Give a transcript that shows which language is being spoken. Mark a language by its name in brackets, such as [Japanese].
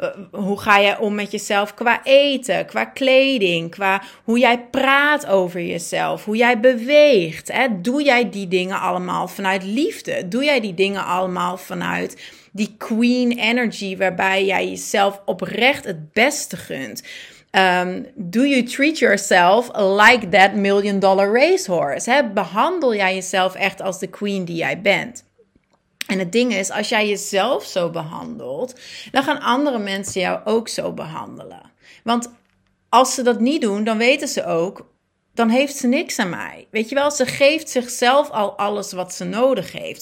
[Dutch] Hoe ga jij om met jezelf qua eten, qua kleding, qua hoe jij praat over jezelf, hoe jij beweegt? Hè? Doe jij die dingen allemaal vanuit liefde? Doe jij die dingen allemaal vanuit die queen energy waarbij jij jezelf oprecht het beste gunt? [English] Do you treat yourself like that million-dollar racehorse? Hè? [Dutch] Behandel jij jezelf echt als de queen die jij bent? En het ding is, als jij jezelf zo behandelt, dan gaan andere mensen jou ook zo behandelen. Want als ze dat niet doen, dan weten ze ook, dan heeft ze niks aan mij. Weet je wel, ze geeft zichzelf al alles wat ze nodig heeft.